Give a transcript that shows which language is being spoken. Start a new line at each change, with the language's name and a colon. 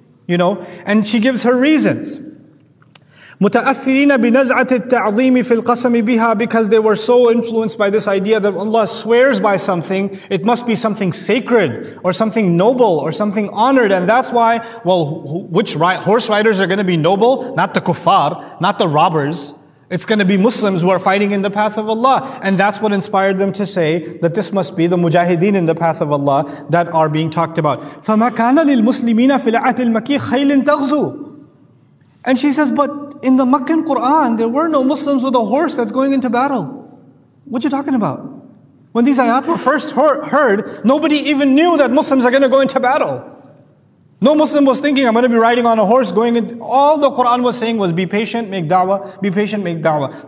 English: You know, and she gives her reasons.
Arabic: متأثرين بنزعة التعظيم في القسم بها,
English: because they were so influenced by this idea that Allah swears by something, it must be something sacred or something noble or something honored, and that's why, well, which horse riders are going to be noble? Not the kuffar, not the robbers. It's going to be Muslims who are fighting in the path of Allah, and that's what inspired them to say that this must be the mujahideen in the path of Allah that are being talked about.
Arabic: فما كان للمسلمين في العهد المكي خيل تغزو.
English: And she says, but in the Meccan Qur'an, there were no Muslims with a horse that's going into battle. What are you talking about? When these ayat were first heard, nobody even knew that Muslims are going to go into battle. No Muslim was thinking, I'm going to be riding on a horse going in. All the Qur'an was saying was, be patient, make da'wah, be patient, make da'wah.